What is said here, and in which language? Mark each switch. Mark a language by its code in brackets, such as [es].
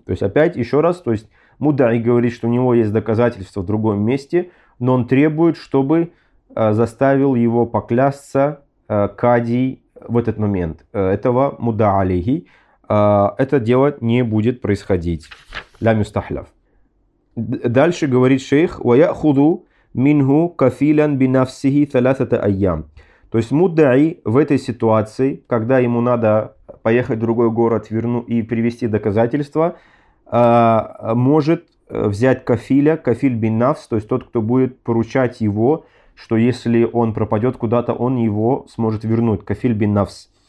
[ru] То есть опять еще раз, то есть мудай говорит, что у него есть доказательства в другом месте, но он требует, чтобы заставил его поклясться кади в этот момент этого мудаалихи. Это дело не будет происходить. [ar] Ля мюстахляв. [ru] Дальше говорит шейх, [ar] وَيَأْخُذُ مِنْهُ كَفِيلًا بِنَفْسِهِ ثَلَثَةَ أَيَّامٍ. [ru] То есть мудай в этой ситуации, когда ему надо поехать в другой город и привести доказательства, может взять кафиля, кафиль бин нафс, то есть тот, кто будет поручать его, что если он пропадет куда-то, он его сможет вернуть. Кафиль бин нафс.